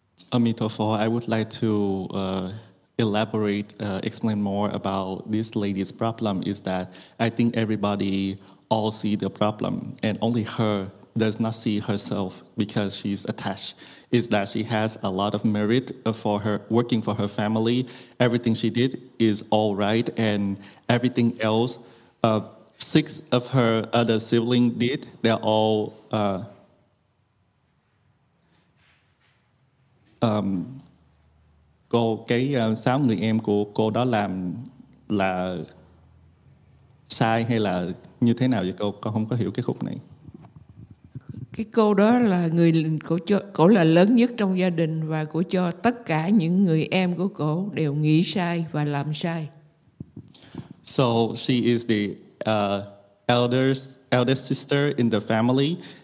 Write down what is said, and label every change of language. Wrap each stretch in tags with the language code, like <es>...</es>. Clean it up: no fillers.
<en>Amitabha, I would like to explain more about this lady's problem. Is that I think everybody all see the problem, and only her does not see herself because she's attached. It's that she has a lot of merit for her working for her family. Everything she did is all right, and everything else, six of her other siblings did, they're all</en> <vi>cô cái sáu người em của cô đó làm là sai hay là như thế nào vậy cô? Con không có hiểu cái khúc này. Cái cô đó là người của cho cổ là lớn nhất trong gia đình và của cho tất cả những người em của cổ đều nghĩ sai và làm sai.</vi> <en>So she is the eldest sister in the family.</en>